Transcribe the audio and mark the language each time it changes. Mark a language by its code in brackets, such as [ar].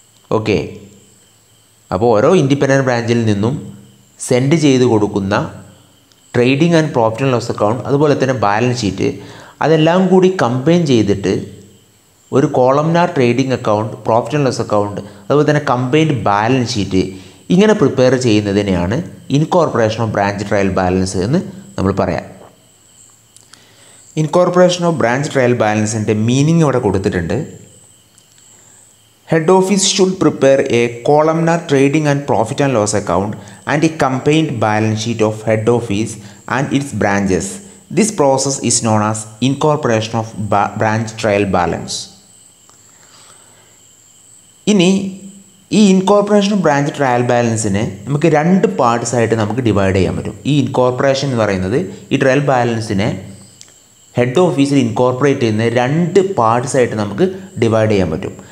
[ml] Okay, അപ്പോൾ ഓരോ independent ബ്രാഞ്ചിൽ നിന്നും സെൻഡ് ചെയ്ത് കൊടുക്കുന്ന trading and profit and loss account, അതുപോലെ തന്നെ ബാലൻസ് ഷീറ്റ്, അതെല്ലാം കൂടി കമ്പൈൻ ചെയ്തിട്ട് ഒരു columnar trading account, profit and loss account, അതുപോലെ തന്നെ കമ്പൈൻഡ് ബാലൻസ് ഷീറ്റ് ഇങ്ങനെ prepare ചെയ്യുന്നതിനെയാണ് incorporation of branch trial balance എന്ന് നമ്മൾ പറയാം. Incorporation of branch trial ബാലൻസിൻ്റെ meaning ഇവിടെ കൊടുത്തിട്ടുണ്ട്. [en] Head office should prepare a columnar trading and profit and loss account and a combined balance sheet of head office and its branches. This process is known as incorporation of branch trial balance. [ml] ഇനി ഈ incorporation branch trial ബാലൻസിനെ നമുക്ക് രണ്ട് parts ആയിട്ട് നമുക്ക് divide ചെയ്യാൻ പറ്റും. ഈ incorporation എന്ന് പറയുന്നത് ഈ ട്രയൽ ബാലൻസിനെ ഹെഡ് ഓഫീസിൽ ഇൻകോർപ്പറേറ്റ് ചെയ്യുന്ന രണ്ട് പാർട്സ് ആയിട്ട് നമുക്ക് ഡിവൈഡ് ചെയ്യാൻ പറ്റും.